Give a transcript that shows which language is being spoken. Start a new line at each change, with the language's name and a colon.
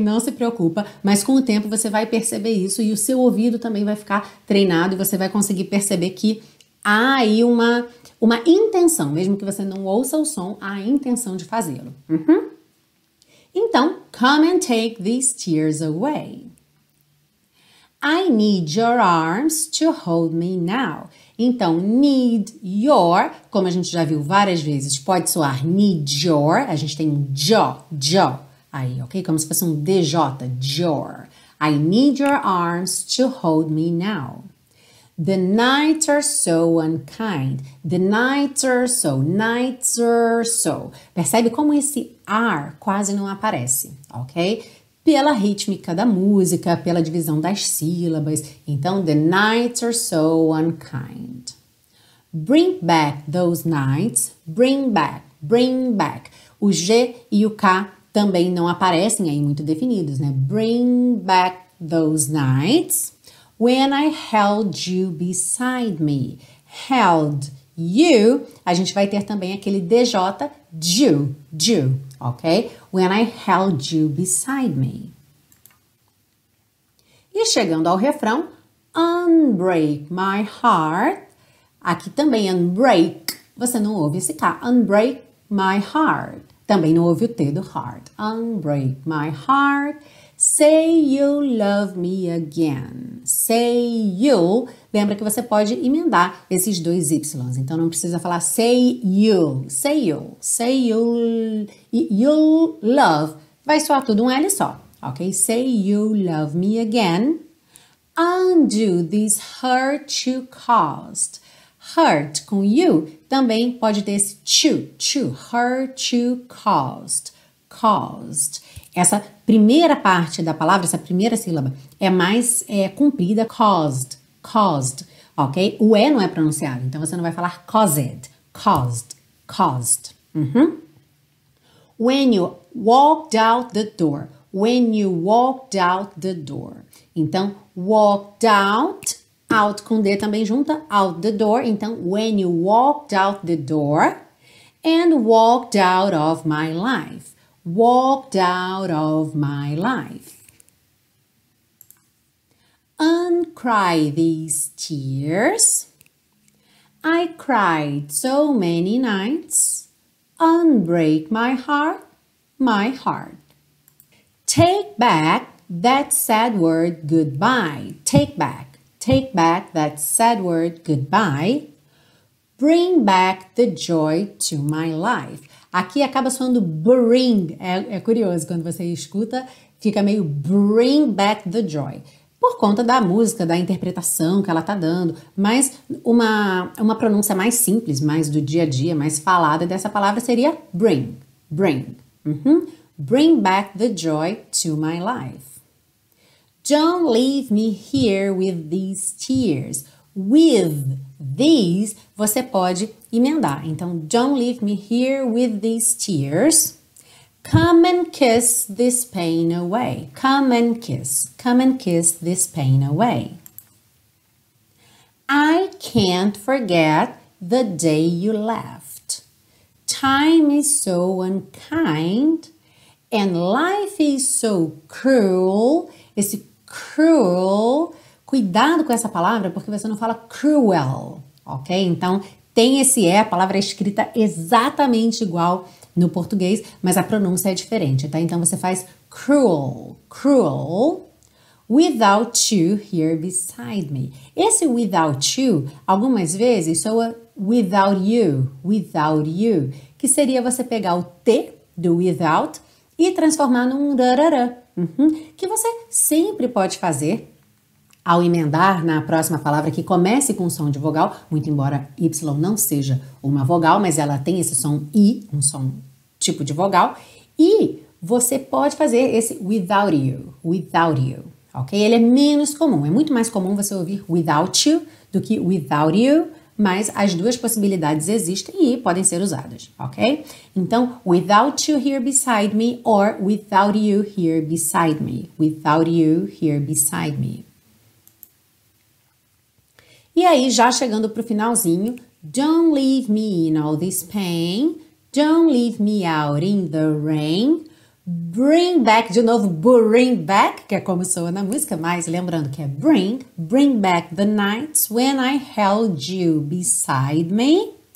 Portuguese: Não se preocupa, mas com o tempo você vai perceber isso e o seu ouvido também vai ficar treinado e você vai conseguir perceber que há aí uma intenção, mesmo que você não ouça o som, há a intenção de fazê-lo. Uhum.
English: Então, come and take these tears away. I need your arms to hold me now.
Portuguese: Então,
English: need your,
Portuguese: como a gente já viu várias vezes, pode soar need your. A gente tem jo aí, ok? Como se fosse um DJ, your.
English: I need your arms to hold me now. The nights are so unkind. The nights are so, nights are so.
Portuguese: Percebe como esse ar quase não aparece, ok? Pela rítmica da música, pela divisão das sílabas.
English: Então, the nights are so unkind. Bring back those nights. Bring back, bring back.
Portuguese: O G e o K também não aparecem aí muito definidos, né?
English: Bring back those nights. When I held you beside me. Held you.
Portuguese: A gente vai ter também aquele DJ, you, ok?
English: When I held you beside me.
Portuguese: E chegando ao refrão,
English: unbreak my heart.
Portuguese: Aqui também, unbreak, você não ouve esse K.
English: Unbreak my heart.
Portuguese: Também não ouve o T do heart.
English: Unbreak my heart. Say you love me again. Say you.
Portuguese: Lembra que você pode emendar esses dois Ys. Então, não precisa falar
English: say you. Say you. Say you. You love.
Portuguese: Vai soar tudo um L só. Ok?
English: Say you love me again. Undo this hurt you caused.
Portuguese: Hurt com you também pode ter esse to. To.
English: Hurt you caused. Caused.
Portuguese: Essa primeira parte da palavra, essa primeira sílaba, é mais comprida, caused, caused, ok? O E não é pronunciado, então você não vai falar caused, caused, caused. Uhum.
English: When you walked out the door, When you walked out the door. Então, walked out, out
Portuguese: com D também junta,
English: out the door. Então, when you walked out the door and walked out of my life. Walked out of my life. Uncry these tears. I cried so many nights. Unbreak my heart, my heart. Take back that sad word goodbye. Take back that sad word goodbye. Bring back the joy to my life.
Portuguese: Aqui acaba soando bring. É curioso, quando você escuta, fica meio
English: bring back the joy.
Portuguese: Por conta da música, da interpretação que ela tá dando. Mas uma pronúncia mais simples, mais do dia a dia, mais falada dessa palavra seria bring.
English: Bring. Uhum. Bring back the joy to my life. Don't leave me here with these tears. With these, você pode emendar. Então, don't leave me here with these tears. Come and kiss this pain away. Come and kiss this pain away. I can't forget the day you left. Time is so unkind and life is so cruel.
Portuguese: Esse cruel, cuidado com essa palavra porque você não fala cruel, ok? Então, tem esse E, a palavra é escrita exatamente igual no português, mas a pronúncia é diferente, tá? Então, você faz cruel, cruel,
English: without you here beside me.
Portuguese: Esse without you, algumas vezes, soa without you, que seria você pegar o T do without e transformar num rarara, uhum, que você sempre pode fazer ao emendar na próxima palavra que comece com som de vogal, muito embora Y não seja uma vogal, mas ela tem esse som I, um som tipo de vogal, e você pode fazer esse without you, ok? Ele é menos comum, é muito mais comum você ouvir without you do que without you, mas as duas possibilidades existem e podem ser usadas, ok?
English: Então, without you here beside me or without you here beside me, without you here beside me.
Portuguese: E aí, já chegando para o finalzinho,
English: don't leave me in all this pain, don't leave me out in the rain, bring back,
Portuguese: de novo,
English: bring back,
Portuguese: que é como soa na música, mas lembrando que é
English: bring back the nights when I held you beside me,